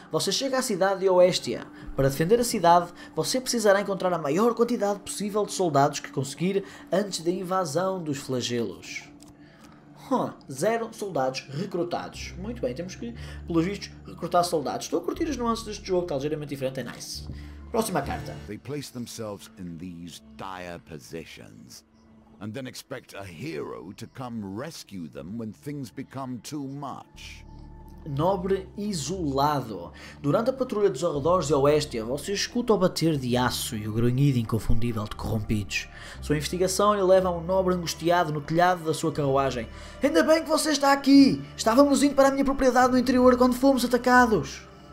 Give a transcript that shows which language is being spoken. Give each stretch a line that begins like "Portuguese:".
Portuguese: Você chega à cidade de Oestia. Para defender a cidade, você precisará encontrar a maior quantidade possível de soldados que conseguir antes da invasão dos flagelos. Zero soldados recrutados. Muito bem, temos que, pelos vistos, recrutar soldados. Estou a curtir as nuances deste jogo, está ligeiramente diferente. É nice. Próxima carta.
English: They place themselves in these dire positions and then expect a hero to come rescue them when things become too much.
Portuguese: Nobre isolado. Durante a patrulha dos arredores de Oestia, você escuta o bater de aço e o grunhido inconfundível de corrompidos. Sua investigação lhe leva a um nobre angustiado no telhado da sua carruagem. Ainda bem que você está aqui! Estávamos indo para a minha propriedade no interior quando fomos atacados.